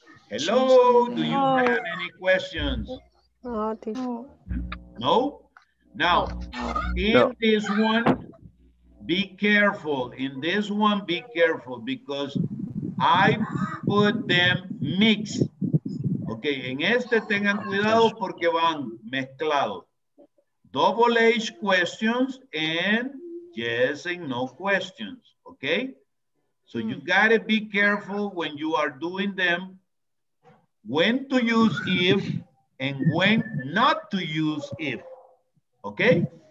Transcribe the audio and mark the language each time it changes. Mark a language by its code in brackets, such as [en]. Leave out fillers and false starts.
[en] Hello? Do you have any questions? No? Now, in this one, be careful. In this one, be careful because I put them mixed. [es] Okay, en este tengan cuidado porque van mezclados. [en] Double H questions and yes and no questions, okay? So you gotta be careful when you are doing them, when to use if and when not to use if, okay?